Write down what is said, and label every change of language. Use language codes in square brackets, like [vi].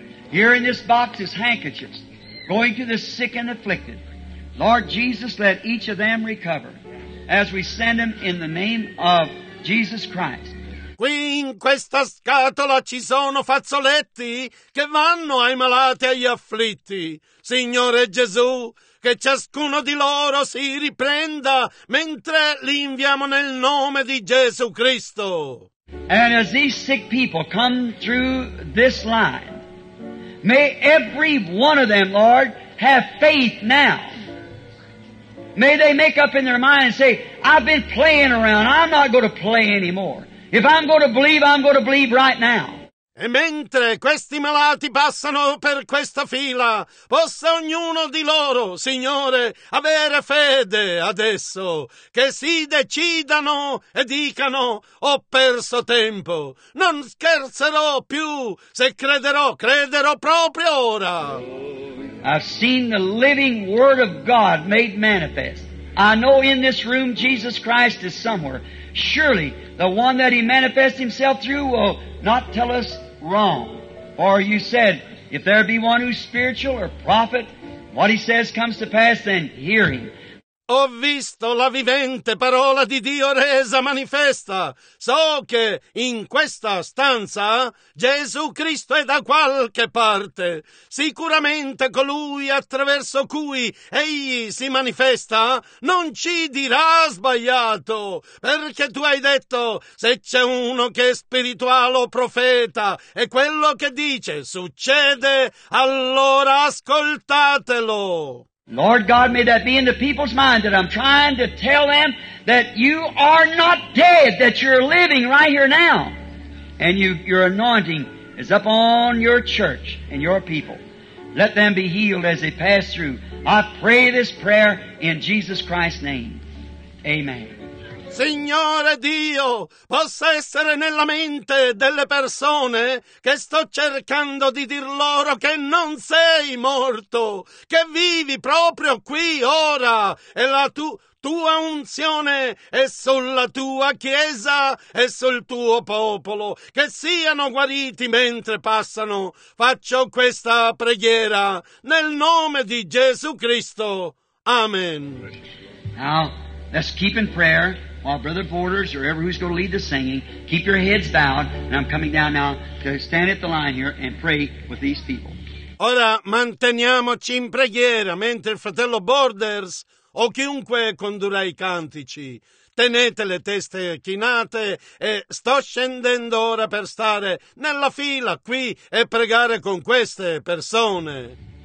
[en] Here in this box is handkerchiefs going to the sick and afflicted. Lord Jesus, let each of them recover. As we send them in the name of Jesus Christ. [it] Qui in questa scatola ci sono fazzoletti che vanno ai malati e agli afflitti. Signore Gesù, che ciascuno di loro si riprenda mentre li inviamo nel nome di Gesù Cristo. [en] And as these sick people come through this line, may every one of them, Lord, have faith now. May they make up in their mind and say, I've been playing around. I'm not going to play anymore. If I'm going to believe right now. [it] E mentre questi malati passano per questa fila, possa ognuno di loro, Signore, avere fede adesso, che si decidano e dicano: ho perso tempo, non scherzerò più, se crederò, crederò proprio ora. [en] I've seen the living Word of God made manifest. I know in this room Jesus Christ is somewhere. Surely the one that He manifests Himself through will not tell us wrong. For you said, if there be one who's spiritual or prophet, what he says comes to pass, then hear him. [it] Ho visto la vivente parola di Dio resa manifesta. So che in questa stanza Gesù Cristo è da qualche parte. Sicuramente colui attraverso cui egli si manifesta non ci dirà sbagliato, perché tu hai detto: se c'è uno che è spirituale o profeta e quello che dice succede, allora ascoltatelo. [en] Lord God, may that be in the people's mind that I'm trying to tell them that you are not dead, that you're living right here now. And your anointing is upon your church and your people. Let them be healed as they pass through. I pray this prayer in Jesus Christ's name. Amen. [it] Signore Dio, possa essere nella mente delle persone che sto cercando di dir loro che non sei morto, che vivi proprio qui ora, e la tua unzione è sulla tua chiesa e sul tuo popolo, che siano guariti mentre passano. Faccio questa preghiera nel nome di Gesù Cristo. Amen. [en] Now, let's keep in prayer. While Brother Borders or whoever who's going to lead the singing, keep your heads bowed, and I'm coming down now to stand at the line here and pray with these people. [it] Ora manteniamoci in preghiera mentre il fratello Borders o chiunque condurrà i cantici. Tenete le teste chinate e sto scendendo ora per stare nella fila qui e pregare con queste persone.